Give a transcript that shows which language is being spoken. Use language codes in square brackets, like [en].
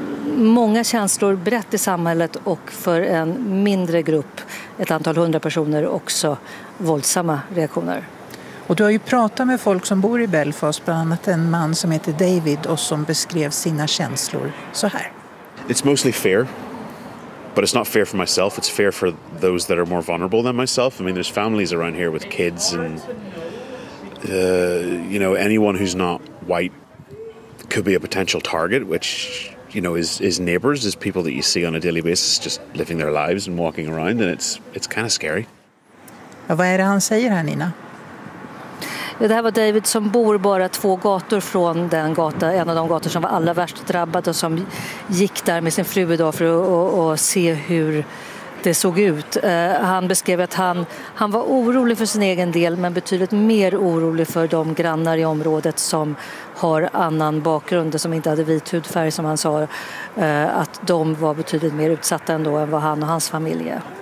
[sv] många känslor brett i samhället och för en mindre grupp, ett antal hundra personer, också våldsamma reaktioner. Och du har ju pratat med folk som bor i Belfast, bland annat en man som heter David och som beskrev sina känslor så här. [en] It's mostly fear, but it's not fear for myself, it's fear for those that are more vulnerable than myself. I mean, there's families around here with kids and you know, anyone who's not white could be a potential target, which, you know, is neighbors, is people that you see on a daily basis just living their lives and walking around, and it's kind of scary. [sv] Vad är det han säger här, Nina? Ja, det här var David som bor bara två gator från den gata, en av de gator som var allra värst drabbad, och som gick där med sin fru idag för att och se hur det såg ut. Han beskrev att han var orolig för sin egen del, men betydligt mer orolig för de grannar i området som har annan bakgrund, som inte hade vit hudfärg, som han sa, att de var betydligt mer utsatta ändå än vad han och hans familj är.